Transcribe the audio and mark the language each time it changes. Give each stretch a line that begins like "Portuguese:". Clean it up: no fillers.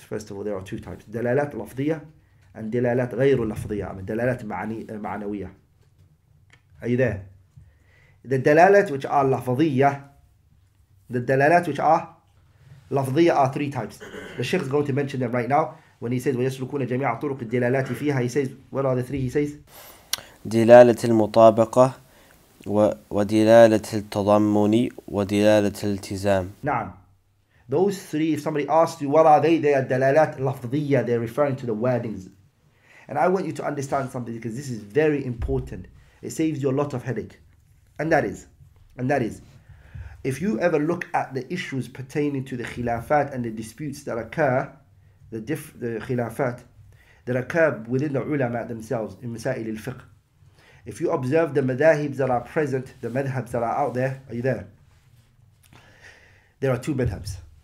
English: First of all, there are two types. Dilalat lafziyah and dilalat ghayru lafziyah. I mean, dilalat ma'naviyah. Are you there? The dilalat which are lafziyah, the dilalat which are lafziyah are three types. The Sheikh is going to mention them right now. When he says,
Arabic: وَيَسْلُكُونَ جَمِيعَ طُرُقِ الدِّلَالَاتِ فِيهَا,
English: he says, what are the three he says?
Arabic: دلالة المطابقة ودلالة التضمن ودلالة الالتزام. نعم.
English: Those three, if somebody asks you, what are they? They are
Arabic: دلالات لفظية.
English: They're referring to the wordings. And I want you to understand something because this is very important. It saves you a lot of headache. And that is, if you ever look at the issues pertaining to the khilafat and the disputes that occur, the khilafat that occur within the ulama themselves in Masail al-Fiqh, if you observe the madhahibs that are present, the madhabs that are out there, are you there? There are two madhabs.